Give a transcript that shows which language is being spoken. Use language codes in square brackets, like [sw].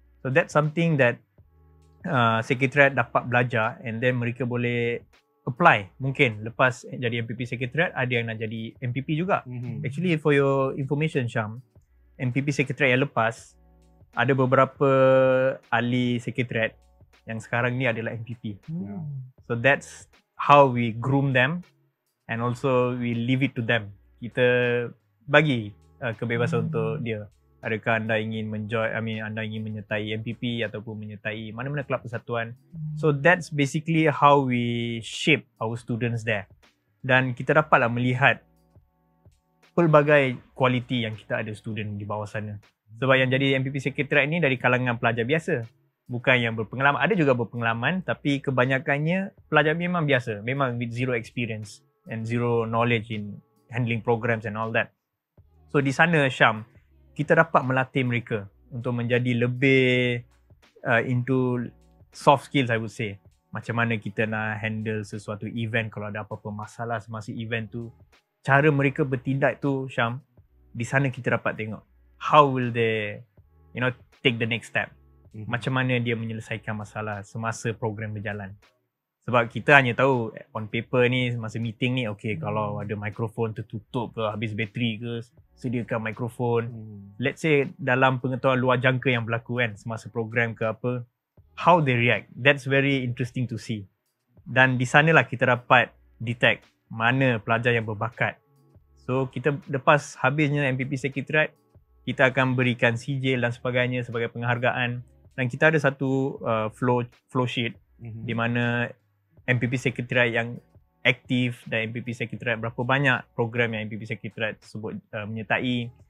[en] So that's something that [ms] Sekretariat dapat belajar [en] and then [ms] mereka boleh [en] apply. [ms] Mungkin lepas jadi MPP Sekretariat, ada yang nak jadi MPP juga. Mm-hmm. [en] Actually, for your information, [ms] Syam, MPP Sekretariat yang lepas, ada beberapa ahli Sekretariat yang sekarang ni adalah MPP. [en] Yeah. So that's how we groom them and also we leave it to them. [ms] Kita bagi kebebasan untuk dia. Adakah anda ingin anda ingin menyertai MPP ataupun menyertai mana-mana kelab persatuan. [en] So that's basically how we shape our students there. [ms] Dan kita dapatlah melihat pelbagai kualiti yang kita ada student di bawah sana. Sebab yang jadi MPP Sekretariat ni dari kalangan pelajar biasa. Bukan yang berpengalaman. Ada juga berpengalaman tapi kebanyakannya pelajar memang biasa. Memang [en] with zero experience and zero knowledge in handling programs and all that. [ms] So di sana, Syam, kita dapat melatih mereka untuk menjadi lebih [en] into soft skills, I would say. [ms] Macam mana kita nak handle sesuatu event kalau ada apa-apa masalah semasa event tu. Cara mereka bertindak tu, Syam, di sana kita dapat tengok. [en] How will they, you know, take the next step? [ms] Macam mana dia menyelesaikan masalah semasa program berjalan. Sebab kita hanya tahu [en] on paper [ms] ni, masa meeting ni, okay, kalau ada mikrofon tertutup ke, habis bateri ke, sediakan mikrofon. [en] Let's say [ms] dalam pengetahuan luar jangka yang berlaku kan, semasa program ke apa, [en] how they react. That's very interesting to see. [ms] Dan di sanalah kita dapat detect mana pelajar yang berbakat. So kita lepas habisnya MPP Sekretariat, kita akan berikan sijil dan sebagainya sebagai penghargaan. Dan kita ada satu flow sheet di mana MPP Sekretariat yang aktif dan MPP Sekretariat berapa banyak program yang MPP Sekretariat tersebut menyertai.